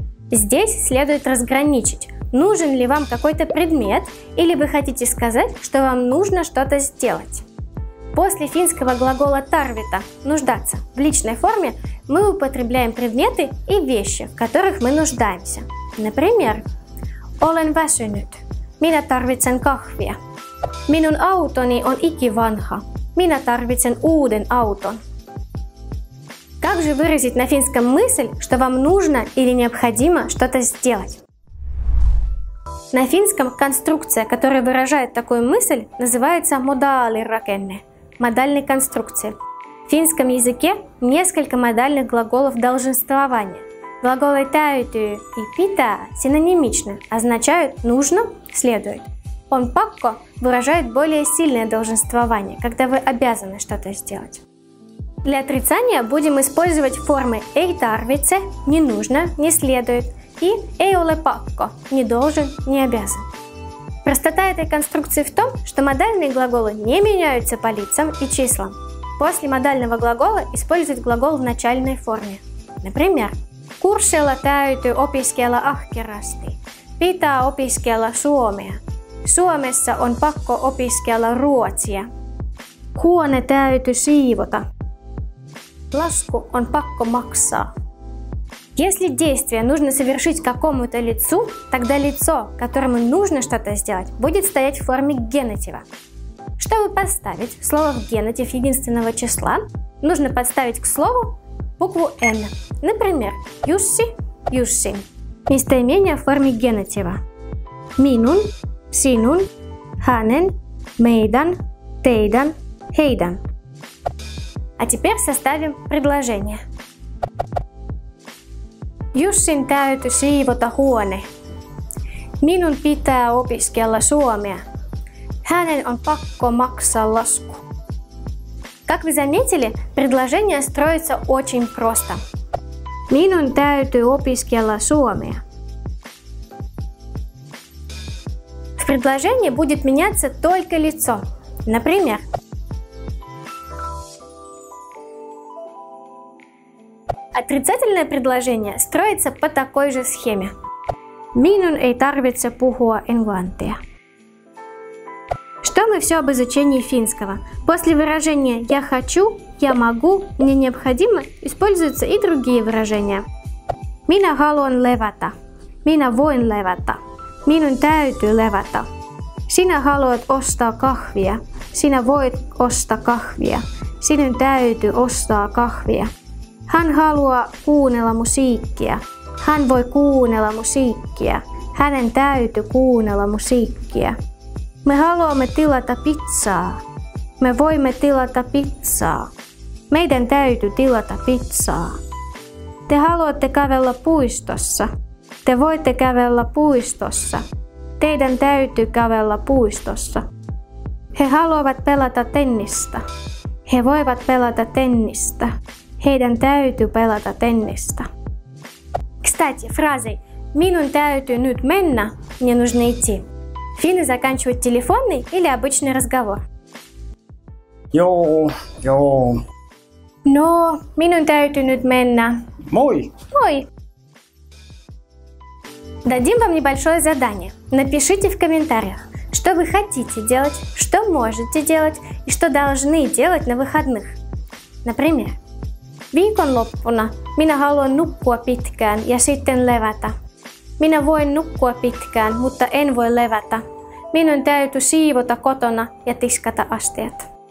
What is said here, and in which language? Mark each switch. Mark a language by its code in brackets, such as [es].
[ru] Здесь следует разграничить, нужен ли вам какой-то предмет, или вы хотите сказать, что вам нужно что-то сделать. После финского глагола «tarvita» – «нуждаться» в личной форме мы употребляем предметы и вещи, в которых мы нуждаемся. Например, [fi] «Olen väsynyt. Minä tarvitsen kahvia». Minun autoni on ikivanha. Minä tarvitsen uuden auton. [ru] Как же выразить на финском мысль, что вам нужно или необходимо что-то сделать? На финском конструкция, которая выражает такую мысль, называется modaalirakenne – модальной конструкции. В финском языке несколько модальных глаголов долженствования. Глаголы täytyy и pitää синонимичны, означают «нужно», «следует». Он pakko выражает более сильное долженствование, когда вы обязаны что-то сделать. Для отрицания будем использовать формы [fi] ei tarvitse [ru] – не нужно, не следует, и [fi] ei ole pakko [ru] – не должен, не обязан. Простота этой конструкции в том, что модальные глаголы не меняются по лицам и числам. После модального глагола используют глагол в начальной форме. Например, [fi] kurssilla täytyy opiskella ahkerasti, pitää opiskella suomea. Suomessa on pakko opiskella ruotsia. Huone täytyy siivota. Lasku on pakko maksaa. [ru] Если действие нужно совершить какому-то лицу, тогда лицо, которому нужно что-то сделать, будет стоять в форме генатива. Чтобы поставить слово в генатив единственного числа, нужно подставить к слову букву N. Например, юсси, юсси. Местоимение в форме генатива. [fi] Минун, синун, ханен, мейдан, тейдан, хейдан. [ru] А теперь составим предложение. [fi] Jussin täytyi siivota huone. Minun pitää opiskella suomea. Hänen on pakko maksaa lasku. [ru] Как вы заметили, предложение строится очень просто. [fi] Minun täytyy opiskella suomea. [ru] В предложении будет меняться только лицо. Например, отрицательное предложение строится по такой же схеме. [fi] Minun ei tarvitse puhua englantia. [ru] Что мы все об изучении финского? После выражения «я хочу», «я могу», «мне необходимо» используются и другие выражения. [fi] Minä haluan levätä. Minä voin levätä. Minun täytyy levätä. Sinä haluat ostaa kahvia. Sinä voit ostaa kahvia. Sinun täytyy ostaa kahvia. Hän haluaa kuunnella musiikkia. Hän voi kuunnella musiikkia. Hänen täytyy kuunnella musiikkia. Me haluamme tilata pizzaa. Me voimme tilata pizzaa. Meidän täytyy tilata pizzaa. Te haluatte kävellä puistossa. Te voitte kävellä puistossa. Teidän täytyy kävellä puistossa. He haluavat pelata tennistä. He voivat pelata tennistä. Heidän täytyy pelata tennistä. [ru] Кстати, фразой [fi] «Minun täytyy nyt mennä» [ru] «Мне нужно идти» финны заканчивают телефонный или обычный разговор. [fi] Joo, joo. No, minun täytyy nyt mennä. Moi. Moi. [ru] Дадим вам небольшое задание. Напишите в комментариях, что вы хотите делать, что можете делать и что должны делать на выходных. Например, [fi] Viikonloppuna minä haluan nukkua pitkään ja sitten levätä. Minä voin nukkua pitkään, mutta en voi levätä. Minun täytyy siivota kotona ja tiskata astiat.